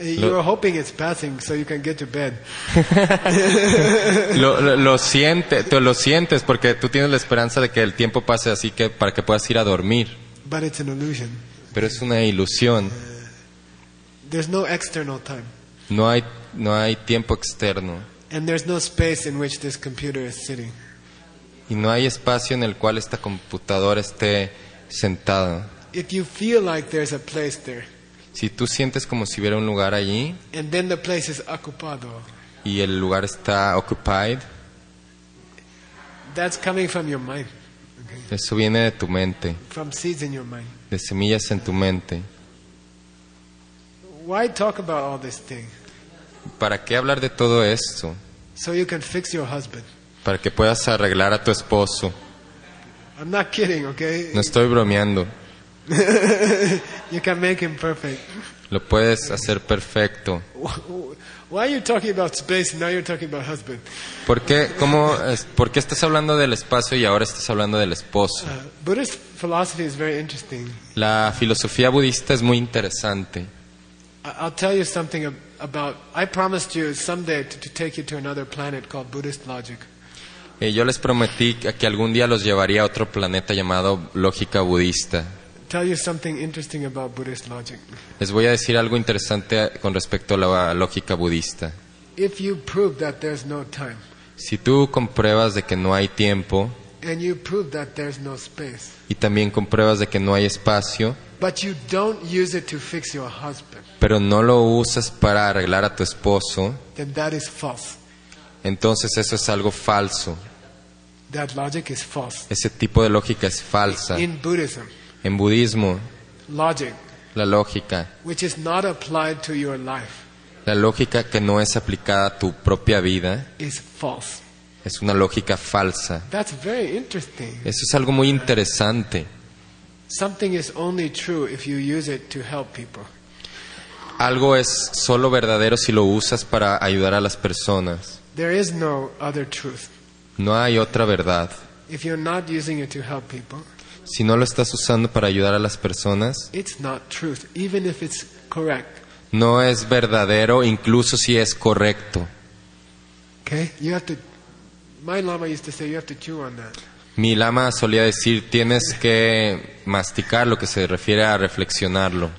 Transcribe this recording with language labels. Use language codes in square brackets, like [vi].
[en] You are hoping it's passing so you can get to bed. [es] lo sientes porque tú tienes la esperanza de que el tiempo pase así que para que puedas ir a dormir. [en] But it's an illusion. [es] Pero es una ilusión. [en] There's no external time. [es] No hay tiempo externo. [en] And there's no space in which this computer is sitting. [es] Y no hay espacio en el cual esta computadora esté sentada. [en] If you feel like there's a place there. [es] Si tú sientes como si hubiera un lugar allí. [en] And then the place is ocupado. [es] Y el lugar está occupied. [en] That's coming from your mind. [es] Eso viene de tu mente. [en] From seeds in your mind. [es] De semillas en tu mente. [en] Why talk about all this thing? [es] ¿Para qué hablar de todo esto? [en] So you can fix your husband. [es] Para que puedas arreglar a tu esposo. [en] I'm not kidding, okay? [es] No estoy bromeando. [en] You can make him perfect. [es] Lo puedes hacer perfecto. [en] Why are you talking about space and now you're talking about husband? [es] ¿Por qué estás hablando del espacio y ahora estás hablando del esposo? [en] Buddhist philosophy is very interesting. [es] La filosofía budista es muy interesante. [en] I'll tell you something about. I promised you someday to take you to another planet called Buddhist logic. [es] Yo les prometí que algún día los llevaría a otro planeta llamado lógica budista. [en] Tell you something interesting about Buddhist logic. [es] Les voy a decir algo interesante con respecto a la lógica budista. [en] If you prove that there's no time. [es] Si tú compruebas de que no hay tiempo. [en] And you prove that there's no space. [es] Y también compruebas de que no hay espacio. [en] But you don't use it to fix your husband. [es] Pero no lo usas para arreglar a tu esposo. [en] Then that is false. [es] Entonces eso es algo falso. [en] That logic is false. [es] Ese tipo de lógica es falsa. [en] In Buddhism. [es] En budismo, [en] logic, [es] la lógica, [en] which is not applied to your life, [es] la lógica que no es aplicada a tu propia vida, [en] is false. [es] Es una lógica falsa. [en] That's very interesting. [es] Eso es algo muy interesante. [en] Something is only true if you use it to help people. [es] Algo es solo verdadero si lo usas para ayudar a las personas. [en] There is no other truth. [es] No hay otra verdad. [en] If you're not using it to help people. [es] Si no lo estás usando para ayudar a las personas, [en] it's not truth, even if it's correct. [es] No es verdadero, incluso si es correcto. [en] Okay, you have to. My lama used to say you have to chew on that. [es] Mi lama solía decir tienes que masticar, lo que se refiere a reflexionarlo.